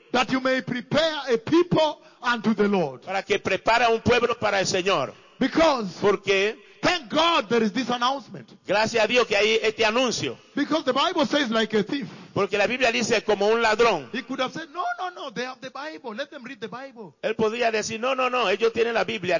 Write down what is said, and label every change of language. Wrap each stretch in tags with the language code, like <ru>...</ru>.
<en>That you may prepare a people unto the Lord.</en> <es>Para que prepare un pueblo para el Señor.</es> <en>Because.</en> <es>Porque.</es> <en>Thank God there is this announcement.</en> <es>Gracias a Dios que hay este anuncio.</es> <en>Because the Bible says like a thief.</en> <es>Porque la Biblia dice como un ladrón.</es> <en>He could have said, no, they have the Bible. Let them read the Bible.</en> <es>Él podría decir, no, ellos tienen la Biblia.</es>